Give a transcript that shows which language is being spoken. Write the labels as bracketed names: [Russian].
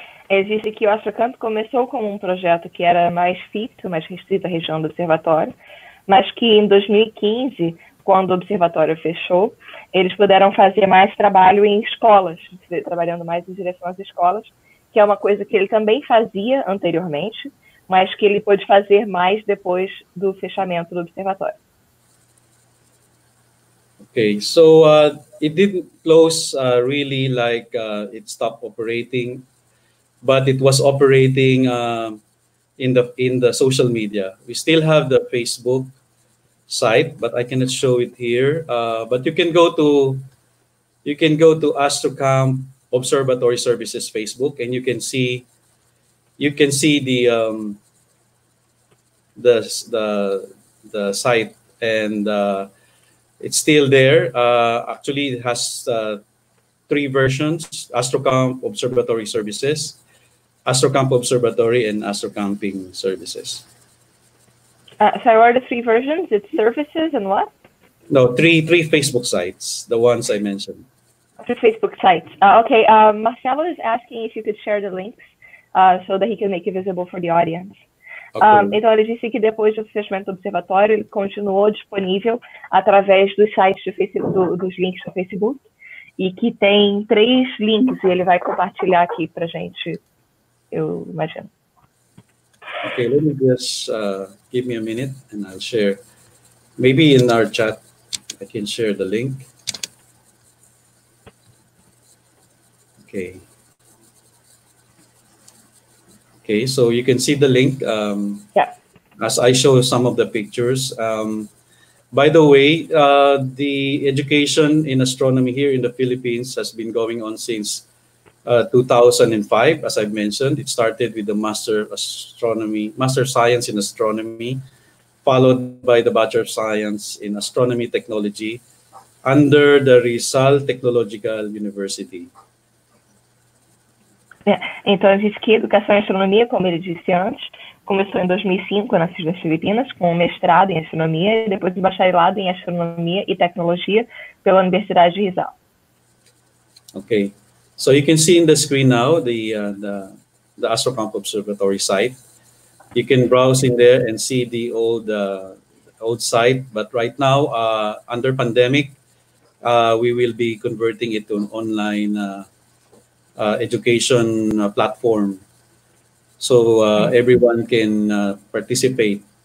[Portuguese] Existe que o Astrocamp começou como um projeto que era mais fixo, mais restrito à região do observatório, mas que em 2015, quando o observatório fechou, eles puderam fazer mais trabalho em escolas, trabalhando mais em direção às escolas, que é uma coisa que ele também fazia anteriormente, mas que ele pôde fazer mais depois do fechamento do observatório. [English] Okay, so it didn't close really like it stopped operating, but it was operating in the social media. We still have the Facebook site, but I cannot show it here. But you can go to Astrocamp Observatory Services Facebook, and you can see the site, and it's still there. Actually, it has three versions: Astrocamp Observatory Services, Astrocamp Observatory, and Astrocamping Services. Sorry, what are the three versions? It's services and what? No, three Facebook sites, the ones I mentioned. The Facebook sites. Okay, Marcelo is asking if you could share the links so that he can make it visible for the audience. Okay. [Portuguese] Então, ele disse que depois do fechamento do observatório, ele continuou disponível através dos sites do Facebook, dos links do Facebook, e que tem três links, e ele vai compartilhar aqui para a gente, eu imagino. [English] Okay, let me just give me a minute and I'll share. Maybe in our chat I can share the link. Okay, so you can see the link yeah. As I show some of the pictures. By the way, the education in astronomy here in the Philippines has been going on since 2005, as I've mentioned. It started with the Master of Science in Astronomy, followed by the Bachelor of Science in Astronomy Technology under the Rizal Technological University. [Portuguese] Então, a gente que educação em astronomia, como ele disse antes, começou em 2005, nas Ilhas Filipinas, com um mestrado em astronomia e depois de bacharelado em astronomia e tecnologia pela Universidade de Rizal. Okay. [English] So you can see in the screen now the Astrocamp Observatory site. You can browse in there and see the old site, but right now under pandemic, we will be converting it to an online education platform, so everyone can participate.